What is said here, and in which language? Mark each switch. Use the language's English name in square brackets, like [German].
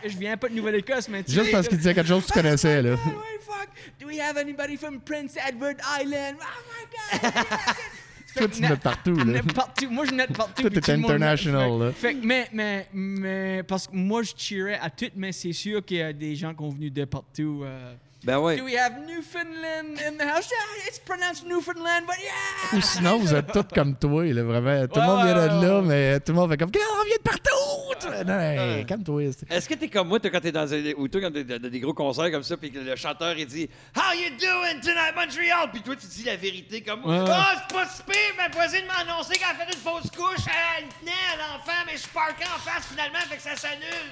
[French] Je viens pas de Nouvelle-Écosse, mais tu juste parce qu'il disait quelque chose que tu connaissais, là. [English] Wait, fuck. Do we have anybody from Prince Edward Island? Oh my God, [French] toi, tu notes partout, là. Partout. Moi, je note partout. Toi, t'es international, là. Fait que, mais, parce que moi, je cheerais à tout, mais c'est sûr qu'il y a des gens qui ont venu de partout. Ben ouais. [English] Do we have Newfoundland in the house? Yeah, it's pronounced Newfoundland, but yeah! [French] Ou sinon, vous êtes tous comme toi, là, vraiment. Tout le monde vient de là, mais tout le monde fait comme, on vient de partout! Calme-toi. Est-ce que t'es comme moi, quand t'es dans des gros concerts comme ça, puis le chanteur, il dit, [English] how you doing tonight, [French] Montreal? Puis toi, tu dis la vérité comme, c'est pas super, ma voisine m'a annoncé qu'elle a fait une fausse couche, elle tenait à l'enfant, mais je parquais en face finalement, fait que ça s'annule.